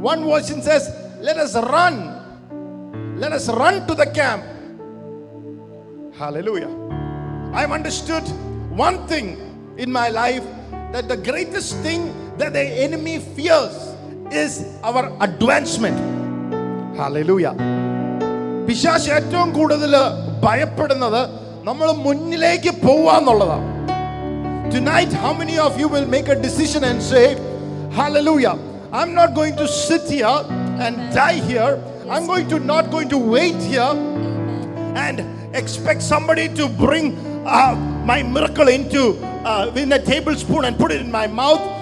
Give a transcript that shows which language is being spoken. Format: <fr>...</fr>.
<en>One version says, let us run. Let us run to the camp. Hallelujah. I've understood one thing in my life, that the greatest thing that the enemy fears is our advancement. Hallelujah.</en> <ml>പിശാച് ഏറ്റവും കൂടുതൽ ഭയപ്പെടുന്നത് നമ്മൾ മുന്നിലേക്ക് പോവാന്നുള്ളതാണ്.</ml> <en>Tonight, how many of you will make a decision and say, Hallelujah, I'm not going to sit here and die here. I'm going to not going to wait here and expect somebody to bring my miracle into in a tablespoon and put it in my mouth.</en>